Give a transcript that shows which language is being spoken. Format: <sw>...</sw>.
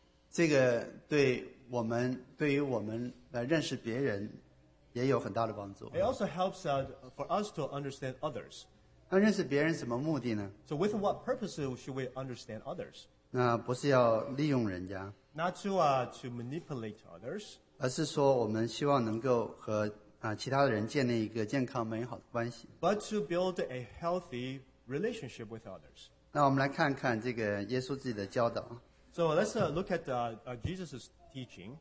<zh>这个对我们来认识别人也有很大的帮助。</zh> <en>It also helps for us to understand others.</en> <zh>那认识别人什么目的呢？</zh> <en>So with what purpose should we understand others?</en> <zh>那不是要利用人家，</zh> <en>not to, to manipulate others,</en> <zh>而是说我们希望能够和其他的人建立一个健康美好的关系，</zh> <en>but to build a healthy relationship with others.</en> <zh>那我们来看看这个耶稣自己的教导。</zh> <en>So let's look at Jesus' teaching.</en>